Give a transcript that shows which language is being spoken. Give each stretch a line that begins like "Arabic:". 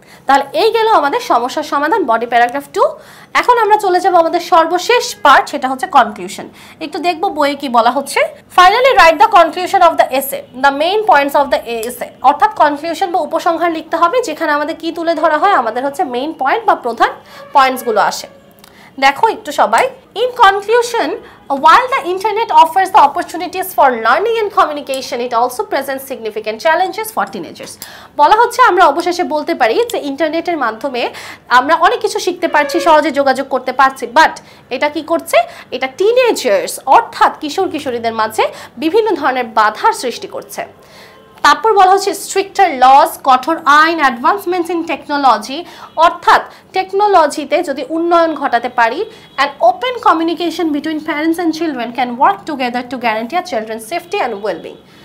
Bangla: তাহলে এই গেল আমাদের সমস্যার সমাধান, বডি প্যারাগ্রাফ টু। এখন আমরা চলে যাবো আমাদের সর্বশেষ পার্ট, সেটা হচ্ছে কনক্লুশন। একটু দেখবো বইয়ে কি বলা হচ্ছে।
English: Finally write the conclusion of the essay, the main points of the essay.
Bangla: অর্থাৎ কনক্লুশন বা উপসংহার লিখতে হবে যেখানে আমাদের কি তুলে ধরা হয়, আমাদের হচ্ছে মেইন পয়েন্ট বা প্রধান পয়েন্টসগুলো আসে। দেখো একটু সবাই,
English: In conclusion, while the internet offers the opportunities for learning and communication, it also presents significant challenges for teenagers.
Bangla: বলা হচ্ছে আমরা অবশেষে বলতে পারি যে ইন্টারনেটের মাধ্যমে আমরা অনেক কিছু শিখতে পারছি, সহজে যোগাযোগ করতে পারছি, বাট এটা কি করছে, এটা টিনেজার্স অর্থাৎ কিশোর কিশোরীদের মাঝে বিভিন্ন ধরনের বাধার সৃষ্টি করছে। তারপর বলা হচ্ছে
English: stricter laws,
Bangla: কঠোর আইন,
English: advancements in technology,
Bangla: অর্থাৎ টেকনোলজিতে যদি উন্নয়ন ঘটাতে পারি,
English: And open communication between parents and children can work together to guarantee our children safety and wellbeing.